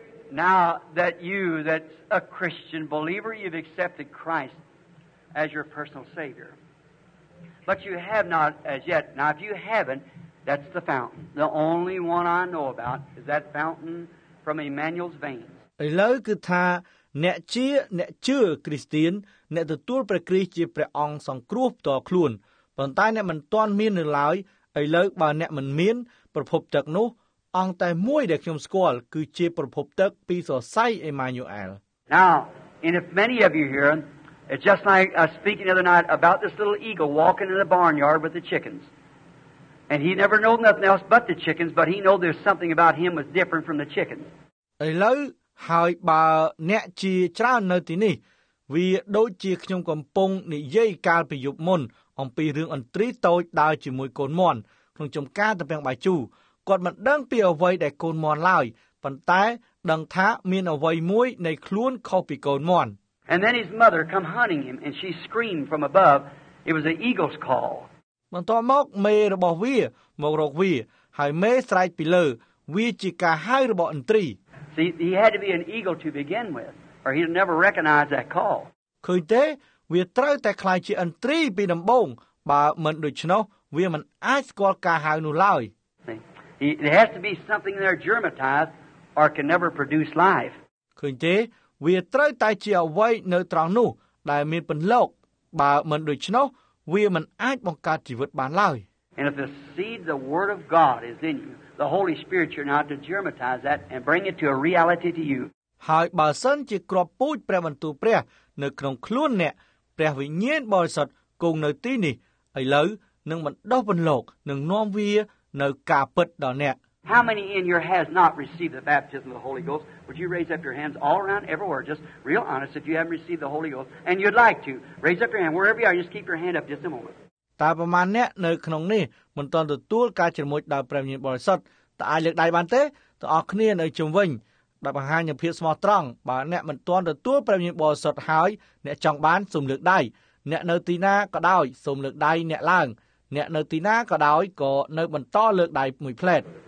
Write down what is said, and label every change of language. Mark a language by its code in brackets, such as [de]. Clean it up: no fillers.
[en] Now that you, that's a Christian believer, you've accepted Christ as your personal Savior. But you have not as yet. Now, if you haven't, that's the fountain. The only one I know about is that fountain from Emmanuel's veins. [km] ឥឡូវគឺថាអ្នកជាអ្នកជឿគ្រីស្ទានអ្នកទទួលព្រះគ្រីស្ទជាព្រះអង្គសង្គ្រោះផ្ទាល់ខ្លួនប៉ុន្តែអ្នកមិនទាន់មាននៅឡើយឥឡូវបើអ្នកមិនមានប្រភពទឹកនោះអង្គតែមួយដែលខ្ញុំស្គាល់គឺជាប្រភពទឹកពីសរសៃអេម៉ានុអែល [en] Now and if many of you here it's just like speaking the other night about this little eagle walking in the barnyard with the chickens and he never knew nothing else but the chickens but he knew there's something about him was different from the chickens [km] ឥឡូវហើយបើអ្នកជាច្រើននៅទីនេះវាដូចជាខ្ញុំកំពុងនិយាយកាលពីយប់មុនអំពីរឿងអន្ទ្រីតូចដើរជាមួយកូនមាន់ក្នុងចំការតំបាំងបាយជូគាត់មិនដឹងពីអ្វីដែលកូនមាន់ឡើយប៉ុន្តែដឹងថាមានអ្វីមួយនៃខ្លួនខុសពីកូនមាន់ [en] And then his mother come hunting him and she screamed from above it was an eagle's call [km] បន្ទាប់មកមេរបស់វាមករកវាហើយមេស្រែកពីលើវាជាការហៅរបស់អន្ទ្រី [en] See, he had to be an eagle to begin with or he'd never recognize that call [km] ឃើញទេវាត្រូវតែខ្លាចជាអន្ទ្រីពីដំបូងបើមិនដូច្នោះវាមិនអាចស្គាល់ការហៅនោះឡើយ [en] it has to be something there germatized or can never produce life [km] ឃើញទេវាត្រូវតែជាអ្វីនៅត្រង់នោះដែលមានពន្លកបើមិនដូច្នោះវាមិនអាចបង្កើតជីវិតបានឡើយ [en] and if the seed the word of god is in you the holy spirit you're now to germatize that and bring it to a reality to you [km] ហើយបើសិនជាគ្រាប់ពូជព្រះបន្ទូលព្រះនៅក្នុងខ្លួនអ្នកព្រះវិញ្ញាណបរិសុទ្ធគង់នៅទីនេះឥឡូវនឹងបណ្ដុះពន្លកនឹងនាំវានៅការពិតដល់អ្នក [en] How many in your has not received the baptism of the Holy Ghost? Would you raise up your hands all around everywhere just real honest if you haven't received the Holy Ghost and you'd like to raise up your hand wherever you are just keep your hand up just a moment. [km] តើប្រមាណអ្នកនៅក្នុងនេះមិនទាន់ទទួលការជ្រមុជដោយព្រះញាណបរិសុទ្ធតើអាចលើកដៃបានទេតើអស់គ្នានៅជុំវិញដើម្បីបង្ហាញភាពស្មោះត្រង់បើអ្នកមិនទាន់ទទួលព្រះញាណបរិសុទ្ធហើយអ្នកចង់បានសូមលើកដៃអ្នកនៅទីណាក៏ដោយសូមលើកដៃអ្នកឡើងអ្នកនៅទីណាក៏ដោយក៏នៅបន្តលើកដៃមួយផ្លែត